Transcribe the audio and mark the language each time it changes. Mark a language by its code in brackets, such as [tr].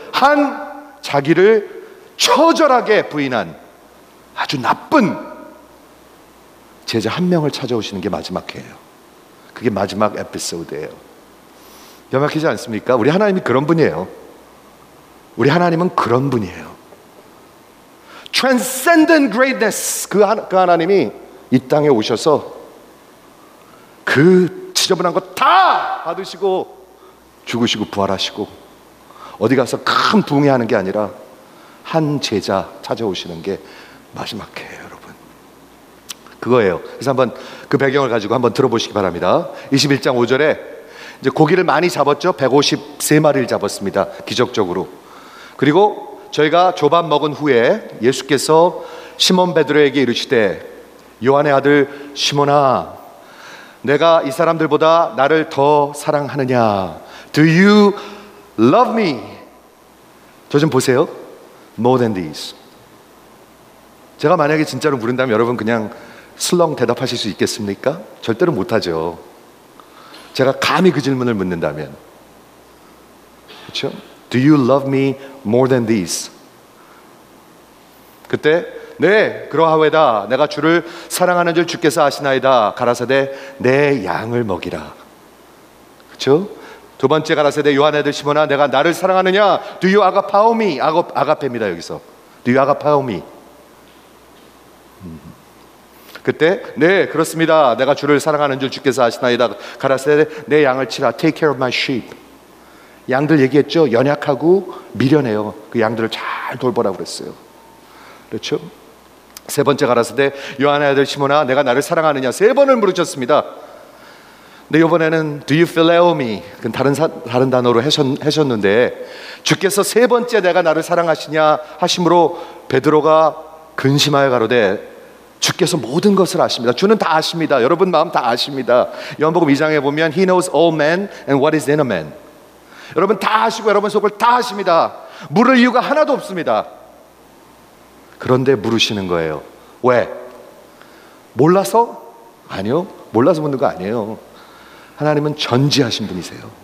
[ko] 한 자기를 처절하게 부인한 아주 나쁜 제자 한 명을 찾아오시는 게 마지막 회예요. 그게 마지막 에피소드예요. 염약하지 않습니까? 우리 하나님이 그런 분이에요. 우리 하나님은 그런 분이에요. [en] Transcendent greatness. [ko] 그 하나님이 이 땅에 오셔서 그 지저분한 거 다 받으시고 죽으시고 부활하시고 어디 가서 큰 붕괴하는 게 아니라 한 제자 찾아오시는 게 마지막 회예요, 여러분. 그거예요. 그래서 한번 그 배경을 가지고 한번 들어보시기 바랍니다. 21장 5절에 이제 고기를 많이 잡았죠. 153마리를 잡았습니다. 기적적으로. 그리고 저희가 조밥 먹은 후에 예수께서 시몬 베드로에게 이르시되 요한의 아들 시몬아 내가 이 사람들보다 나를 더 사랑하느냐? [en] Do you love me? [ko] 저 좀 보세요. [en] More than this. [ko] 제가 만약에 진짜로 부른다면 여러분 그냥 슬렁 대답하실 수 있겠습니까? 절대로 못하죠. 제가 감히 그 질문을 묻는다면. 그렇죠? [en] Do you love me more than this? [ko] 그때 네, 그러하외다. 내가 주를 사랑하는 줄 주께서 아시나이다. 가라사대 내 양을 먹이라. 그렇죠? 두 번째 가라사대 요한의 아들 시몬아 내가 나를 사랑하느냐? [en] Do you agapao me? [ko] 아가페입니다. 여기서. [en] Do you agapao me? [ko] 그때 네, 그렇습니다. 내가 주를 사랑하는 줄 주께서 아시나이다. 가라사대 내 양을 치라. [en] Take care of my sheep. [ko] 양들 얘기했죠. 연약하고 미련해요. 그 양들을 잘 돌보라고 그랬어요. 그렇죠? 세 번째 가라사대 요한의 아들 시몬아 내가 나를 사랑하느냐? 세 번을 물으셨습니다. 근데 이번에는 [en] Do you phileo me? [ko] 그건 다른 단어로 하셨는데 주께서 세 번째 내가 나를 사랑하시냐 하심으로 베드로가 근심하여 가로되 주께서 모든 것을 아십니다. 주는 다 아십니다. 여러분 마음 다 아십니다. 요한복음 2장에 보면 [en] He knows all men and what is in a man. [ko] 여러분 다 아시고 여러분 속을 다 아십니다. 물을 이유가 하나도 없습니다. 그런데 물으시는 거예요. 왜? 몰라서? 아니요. 몰라서 묻는 거 아니에요. 하나님은 전지하신 분이세요.